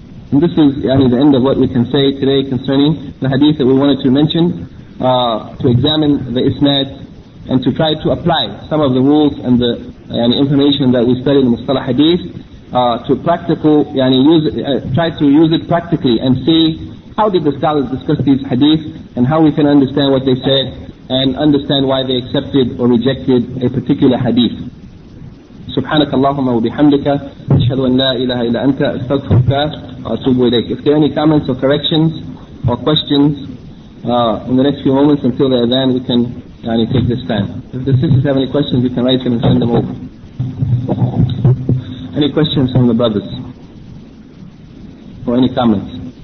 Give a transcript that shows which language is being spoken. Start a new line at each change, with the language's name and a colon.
English: And this is, yani, the end of what we can say today concerning the hadith that we wanted to mention, to examine the isnad and to try to apply some of the rules and the yani, information that we studied in the Mustalah hadith to practical, yani, try to use it practically and see how did the scholars discuss these hadith and how we can understand what they said and understand why they accepted or rejected a particular hadith.
Arabic: سبحانك اللهم وبحمدك أشهد أن لا إله إلا أنت أستغفرك وأتوب إليك.
English: If there are any comments or corrections or questions in the next few moments until the adhan, we can يعني, take this time. If the sisters have any questions, you can write them and send them over. Any questions from the brothers or any comments?